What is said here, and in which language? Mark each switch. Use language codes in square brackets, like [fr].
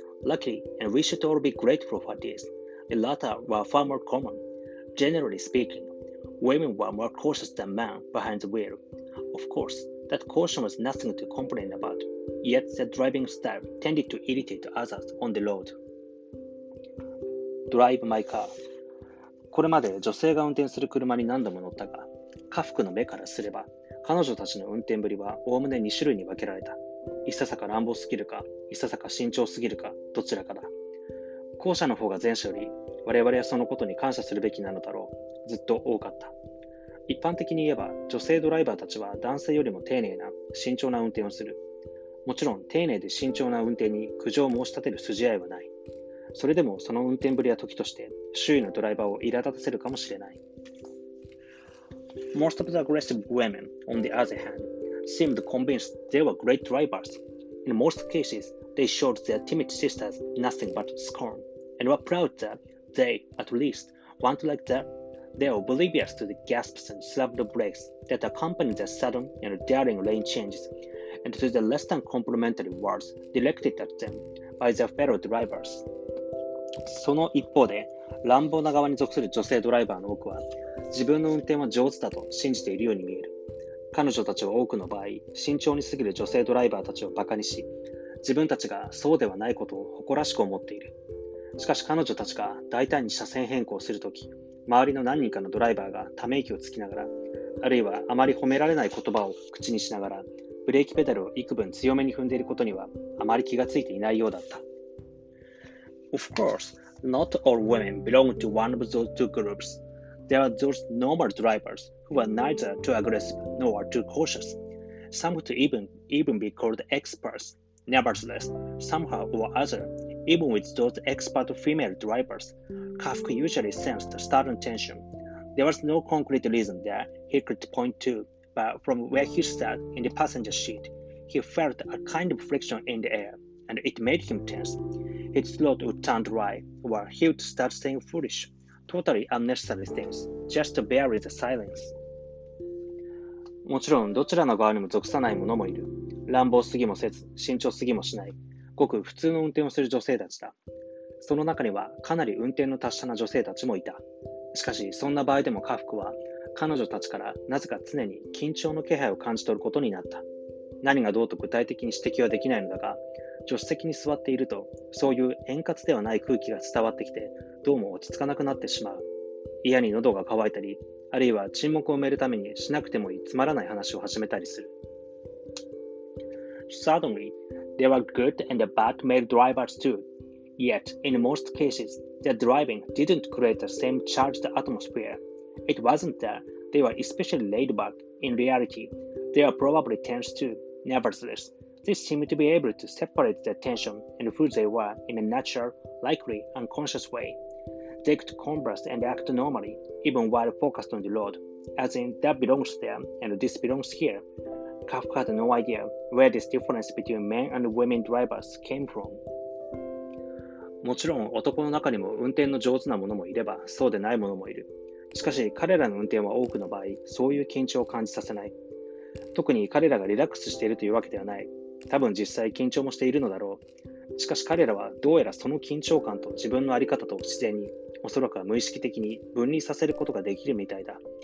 [en] Luckily, and we should all be grateful for this, the latter were far more common. Generally speaking, women were more cautious than men behind the wheel. Of course, that caution was nothing to complain about, yet their driving style tended to irritate others on the road. Drive my car. [ja] これまで女性が運転する車に何度も乗ったが、家福の目からすれば、彼女たちの運転ぶりはおおむね2種類に分けられた。いささか乱暴すぎるか、いささか慎重すぎるか、どちらかだ。後者の方が前者より、我々はそのことに感謝するべきなのだろう。ずっと多かった。一般的に言えば、女性ドライバーたちは男性よりも丁寧な、慎重な運転をする。もちろん、丁寧で慎重な運転に苦情を申し立てる筋合いはない。それでもその運転ぶりは時として周囲のドライバーを苛立たせるかもしれない。 [en] Most of the aggressive women, on the other hand, seemed convinced they were great drivers. In most cases, they showed their timid sisters nothing but scorn, and were proud that they, at least, weren't like them. They were oblivious to the gasps and slammed brakes that accompanied their sudden and daring lane changes, and to the less than complimentary words directed at them by their fellow drivers. [ja] その一方で、乱暴な側に属する女性ドライバーの多くは、自分の運転は上手だと信じているように見える。彼女たちは多くの場合、慎重に過ぎる女性ドライバーたちをバカにし、自分たちがそうではないことを誇らしく思っている。しかし彼女たちが大胆に車線変更するとき、周りの何人かのドライバーがため息をつきながら、あるいはあまり褒められない言葉を口にしながら、ブレーキペダルを幾分強めに踏んでいることにはあまり気がついていないようだった。 [en] Of course, not all women belong to one of those two groups. There are those normal drivers who are neither too aggressive nor too cautious. Some could even be called experts. Nevertheless, somehow or other, even with those expert female drivers, Kafka usually sensed a sudden tension. There was no concrete reason that he could point to, but from where he sat in the passenger seat, he felt a kind of friction in the air, and it made him tense. His throat would turn dry, or he would start saying foolish, totally unnecessary things, just to bury the silence. [ja] もちろん、どちらの側にも属さない者もいる。乱暴すぎもせず、慎重すぎもしない、ごく普通の運転をする女性たちだ。その中には、かなり運転の達者な女性たちもいた。しかし、そんな場合でも家福は、彼女たちからなぜか常に緊張の気配を感じ取ることになった。何がどうと具体的に指摘はできないのだが、助手席に座っていると、そういう円滑ではない空気が伝わってきて、どうも落ち着かなくなってしまう。嫌に喉が渇いたり、あるいは沈黙を埋めるためにしなくてもいいつまらない話を始めたりする。 [en] Suddenly, there were good and bad male drivers too. Yet, in most cases, their driving didn't create the same charged atmosphere. It wasn't that they were especially laid back. In reality, they were probably tense too, nevertheless. They seemed to be able to separate their tension and who they were in a natural, likely, unconscious way. They could converse and act normally, even while focused on the road, as in that belongs there and this belongs here. Kafka had no idea where this difference between men and women drivers came from. [ja] もちろん男の中にも運転の上手な者もいればそうでない者もいる。しかし彼らの運転は多くの場合そういう緊張を感じさせない。特に彼らがリラックスしているというわけではない。多分実際緊張もしているのだろう。しかし彼らはどうやらその緊張感と自分の在り方と自然におそらくは無意識的に分離させることができるみたいだ。